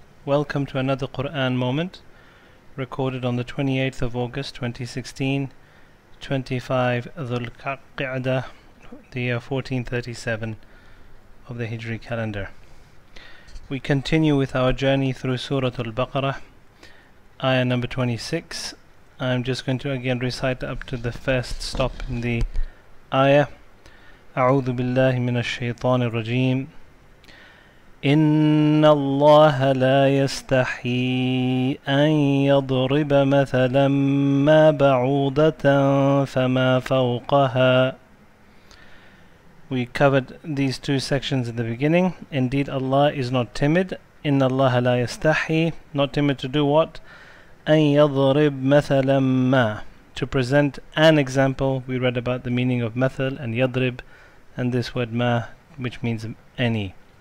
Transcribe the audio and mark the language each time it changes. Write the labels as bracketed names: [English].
[English] Welcome to another Quran moment recorded on the 28th of August 2016, 25 Dhul Qa'dah, the year 1437 of the Hijri calendar. We continue with our journey through Surah Al-Baqarah, ayah number 26. I'm just going to again recite up to the first stop in the ayah. [Arabic] A'udhu billahi minash shaitanir rajim. إن الله لا يستحي أن يضرب مثلا ما بعوضة فما فوقها. [English] We covered these two sections at the beginning. Indeed, Allah is not timid. [Arabic] إن الله لا يستحي. [English] Not timid to do what? [Arabic] أن يضرب مثلا ما. [English] To present an example. We read about the meaning of مثل and يضرب and this word ما, which means any.